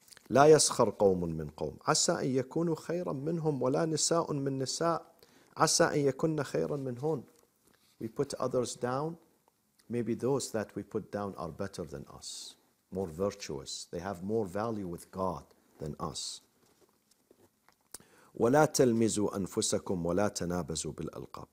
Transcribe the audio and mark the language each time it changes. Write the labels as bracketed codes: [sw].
[ar] لا يسخر قوم من قوم عسى أن يكونوا خيرا منهم ولا نساء من نساء عسى أن يكون خيرا منهن. [en] We put others down. Maybe those that we put down are better than us, more virtuous. They have more value with God than us. [ar] ولا تلمزوا أنفسكم ولا تنابزوا بالألقاب.